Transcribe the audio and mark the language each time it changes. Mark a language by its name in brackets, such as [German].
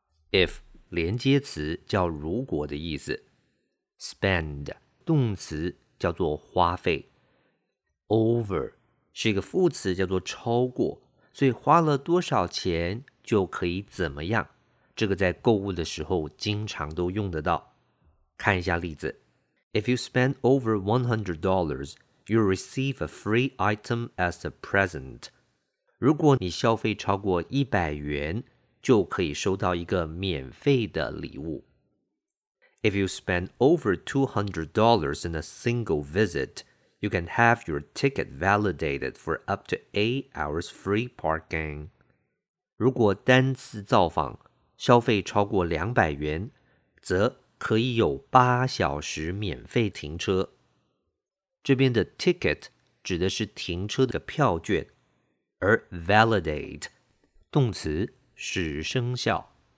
[Chinese] If 连接词叫如果的意思， spend 动词叫做花费， over 是一个副词叫做超过，所以花了多少钱就可以怎么样，这个在购物的时候经常都用得到。 [English] 看一下例子。 If you spend over $100, you'll receive a free item as a present. [Chinese] 如果你消费超过100元，就可以收到一个免费的礼物。 [English] If you spend over $200 in a single visit, you can have your ticket validated for up to 8 hours free parking. [Chinese] 如果单次造访消费超过200元，则可以有八小时免费停车。这边的 ticket 指的是停车的票券，而 validate 动词使生效。